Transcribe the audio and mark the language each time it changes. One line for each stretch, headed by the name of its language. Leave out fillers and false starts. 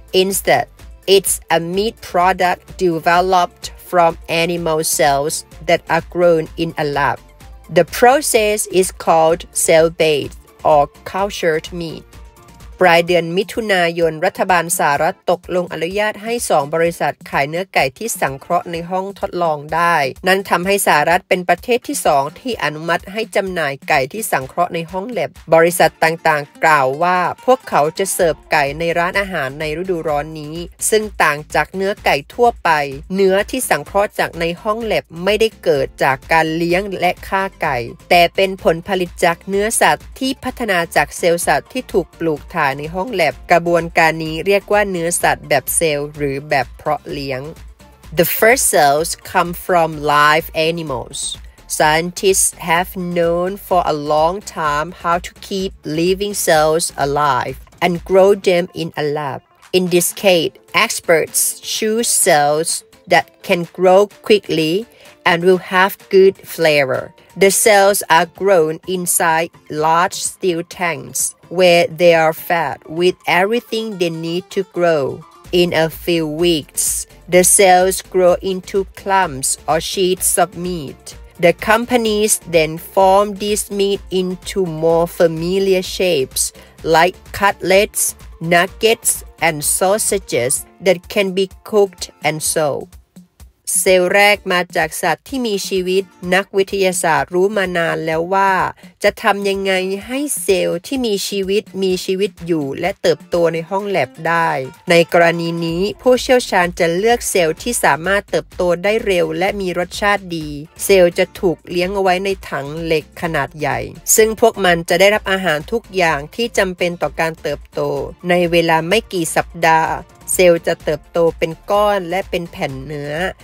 English: Instead, it's a meat product developed from animal cells that are grown in a lab. The process is called cell-based or cultured meat.
Thai: ปลายเดือนมิถุนายนรัฐบาลสหรัฐตกลงอนุญาตให้2บริษัทขายเนื้อไก่ที่สังเคราะห์ในห้องทดลองได้นั่นทำให้สหรัฐเป็นประเทศที่2ที่อนุมัติให้จำหน่ายไก่ที่สังเคราะห์ในห้องแลบบริษัทต่างๆกล่าวว่าพวกเขาจะเสิร์ฟไก่ในร้านอาหารในฤดูร้อนนี้ซึ่งต่างจากเนื้อไก่ทั่วไป เนื้อที่สังเคราะห์จากในห้องแลบไม่ได้เกิดจากการเลี้ยงและฆ่าไก่แต่เป็นผลผลิตจากเนื้อสัตว์ที่พัฒนาจากเซลล์สัตว์ที่ถูกปลูกถ่ายในห้องแลบกระบวนการนี้เรียกว่าเนื้อสัตว์แบบเซลล์หรือแบบเพาะเลี้ยง
English: The first cells come from live animals. Scientists have known for a long time how to keep living cells alive and grow them in a lab. In this case, experts choose cells that can grow quickly and will have good flavor. The cells are grown inside large steel tanks. Where they are fed with everything they need to grow. In a few weeks, the cells grow into clumps or sheets of meat. The companies then form this meat into more familiar shapes like cutlets, nuggets, and sausages that can be cooked and sold.
Thai: เซลล์แรกมาจากสัตว์ที่มีชีวิตนักวิทยาศาสตร์รู้มานานแล้วว่าจะทำยังไงให้เซลล์ที่มีชีวิตอยู่และเติบโตในห้องแลบได้ในกรณีนี้ผู้เชี่ยวชาญจะเลือกเซลล์ที่สามารถเติบโตได้เร็วและมีรสชาติดีเซลล์จะถูกเลี้ยงเอาไว้ในถังเหล็กขนาดใหญ่ซึ่งพวกมันจะได้รับอาหารทุกอย่างที่จำเป็นต่อการเติบโตในเวลาไม่กี่สัปดาห์เซลล์จะเติบโตเป็นก้อนและเป็นแผ่นเนื้อ